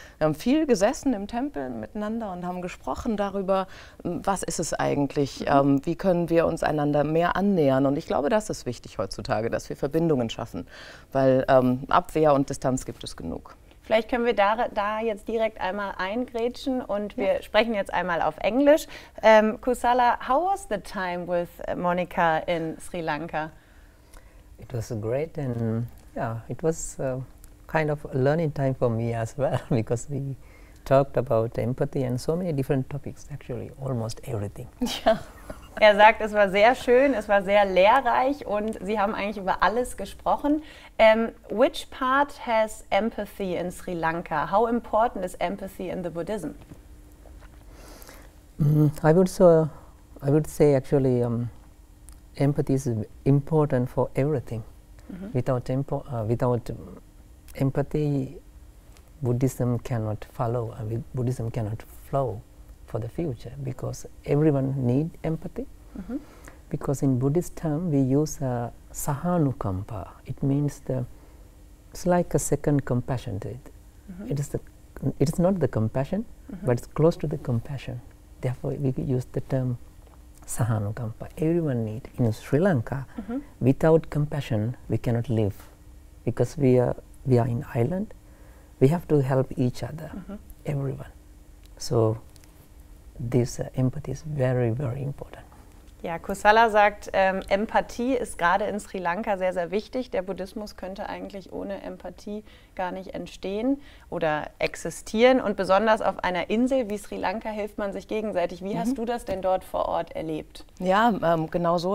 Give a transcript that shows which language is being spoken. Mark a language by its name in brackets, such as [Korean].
[German] Wir haben viel gesessen im Tempel miteinander und haben gesprochen darüber, was ist es eigentlich, wie können wir uns einander mehr annähern. Und ich glaube, das ist wichtig heutzutage, dass wir Verbindungen schaffen, weil Abwehr und Distanz gibt es genug. Vielleicht können wir da jetzt direkt einmal eingrätschen und wir sprechen jetzt einmal auf Englisch. [English] Kusala, how was the time with Monica in Sri Lanka? It was great and it was kind of a learning time for me as well, because we talked about empathy and so many different topics, actually almost everything. [German] Er sagt, es war sehr schön, es war sehr lehrreich und sie haben eigentlich über alles gesprochen. [English] Which part has empathy in Sri Lanka? How important is empathy in the Buddhism? I would say actually empathy is important for everything. Mm-hmm. Without empathy, Buddhism cannot follow, Buddhism cannot flow for the future, because everyone need empathy. Mm-hmm. Because in Buddhist term, we use sahanukampa. It means it's like a second compassion. It is not the compassion, mm-hmm. but it's close to the compassion. Therefore, we use the term sahanukampa. Everyone need. In Sri Lanka, mm-hmm. without compassion, we cannot live. Because we are in island, we have to help each other, mm-hmm. everyone. So this empathy is very, very important. [German] Ja, Kusala sagt, Empathie ist gerade in Sri Lanka sehr, sehr wichtig. Der Buddhismus könnte eigentlich ohne Empathie gar nicht entstehen oder existieren. Und besonders auf einer Insel wie Sri Lanka hilft man sich gegenseitig. Wie hast du das denn dort vor Ort erlebt? Ja, genau so.